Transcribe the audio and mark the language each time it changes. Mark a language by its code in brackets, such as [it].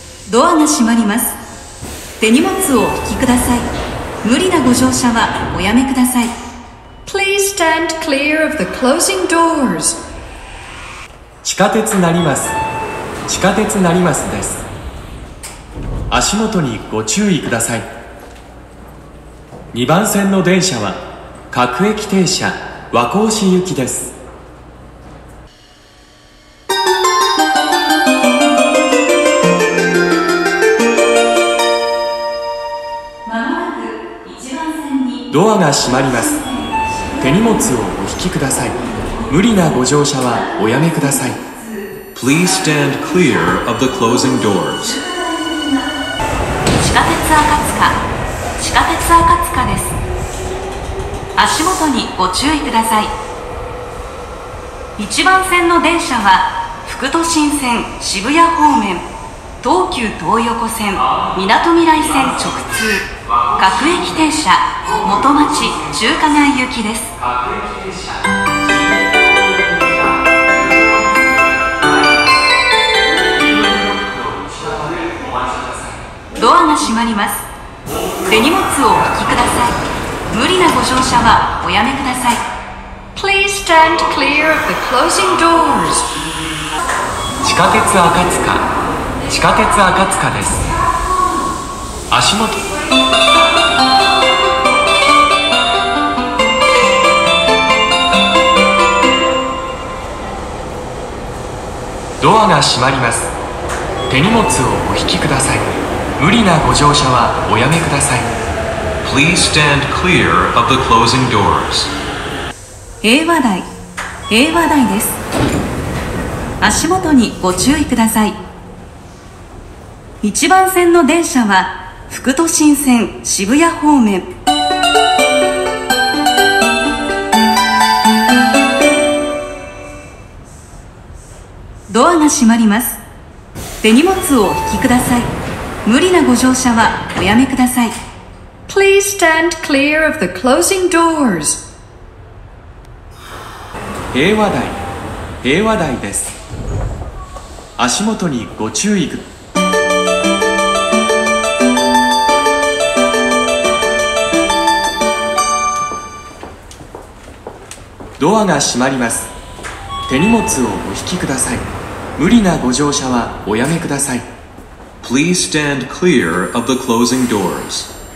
[ja] ドアが閉まります。手荷物をお引きください。無理なご乗車はおやめください。 [en] Please stand clear of the closing doors. [ja] 地下鉄なります。地下鉄なりますです。足元にご注意ください。2番線の電車は各駅停車和光市行きです。ドアが閉まります。手荷物をお引きください。無理なご乗車はおやめください。 [en] Please stand clear of the closing doors. [ja] 地下鉄赤塚、地下鉄赤塚です。足元にご注意ください。1番線の電車は副都心線渋谷方面、東急東横線、みなとみらい線直通、各駅停車、元町中華街行きです。ドアが閉まります。手荷物をお引きください。無理なご乗車はおやめください。 [en] Please stand clear of the closing doors. [ja] 地下鉄赤塚。地下鉄赤塚です。足元。ドアが閉まります。手荷物をお引きください。無理なご乗車はおやめください。 [en] Please stand clear of the closing doors. [ja] 平和台、平和台です。足元にご注意ください。1番線の電車は副都心線渋谷方面。ドアが閉まります。手荷物をお引きください。無理なご乗車はおやめください。 [en] Please stand clear of the closing doors. [ja] 平和台、平和台です。足元にご注意。ドアが閉まります。手荷物をお引きください。無理なご乗車はおやめください。 [en] Please stand clear of the closing doors.